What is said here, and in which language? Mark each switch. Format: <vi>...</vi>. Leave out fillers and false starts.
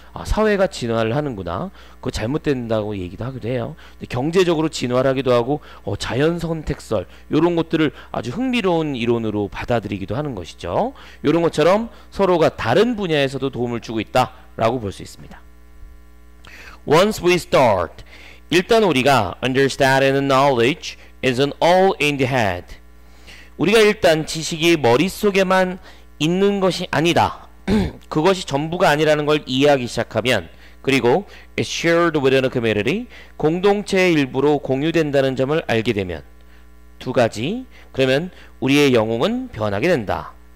<ko>아, 사회가 진화를 하는구나. 그거 잘못된다고 얘기도 하기도 해요. 근데 경제적으로 진화를 하기도 하고 자연선택설 이런 것들을 아주 흥미로운 이론으로 받아들이기도 하는 것이죠. 이런 것처럼 서로가 다른 분야에서도 도움을 주고 있다라고 볼 수 있습니다.</ko> <en>Once we start,</en> <ko>일단 우리가</ko> <en>understanding knowledge isn't all in the head.</en> <ko>우리가 일단 지식이 머릿속에만 있는 것이 아니다. 그것이 전부가 아니라는 걸 이해하기 시작하면 그리고</ko> <en>it's shared within a community,</en> <ko>공동체의 일부로 공유된다는 점을 알게 되면 두 가지, 그러면 우리의 영웅은 변하게 된다.</ko>